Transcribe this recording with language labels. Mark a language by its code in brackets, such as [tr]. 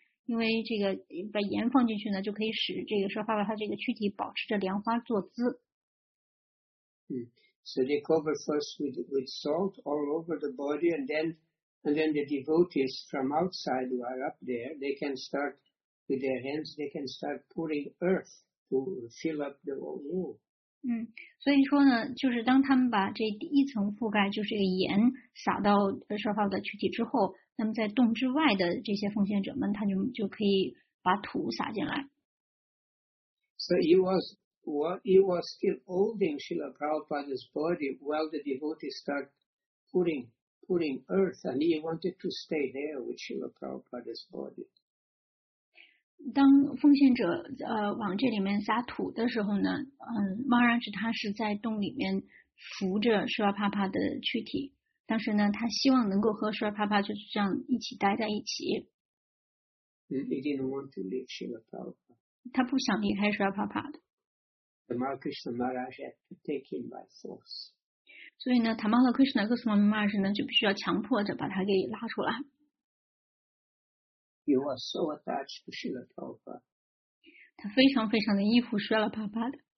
[zh] 因为这个把盐放进去呢，就可以使这个舍尔帕帕他这个躯体保持着莲花坐姿。 [en] So they cover first with salt all over the body, and then the devotees from outside who are up there, they can start with their hands, they can start pouring earth to fill up the whole room. [zh] 所以说呢，就是当他们把这第一层覆盖，就是这个盐撒到舍尔帕帕的躯体之后。那么在洞之外的这些奉献者们，他就可以把土撒进来。 [en] So he was still holding Srila Prabhupada's body while the devotees start putting earth, and he wanted to stay there with Srila Prabhupada's body. [zh] 当奉献者往这里面撒土的时候呢，Maharaj他是在洞里面扶着Srila Prabhupada的躯体。但是呢，他希望能够和舍尔帕帕就是这样一起待在一起。 [en] He didn't want to leave Srila Prabhupada. [zh] 他不想离开舍尔帕帕的。 [en] The Mahakrishna Maharaj had to take him by force. [zh] 所以呢，塔玛勒克什纳格斯瓦米玛什呢就必须要强迫着把他给拉出来。 [en] He was so attached to Srila Prabhupada. [zh] 他非常非常的依附舍尔帕帕的。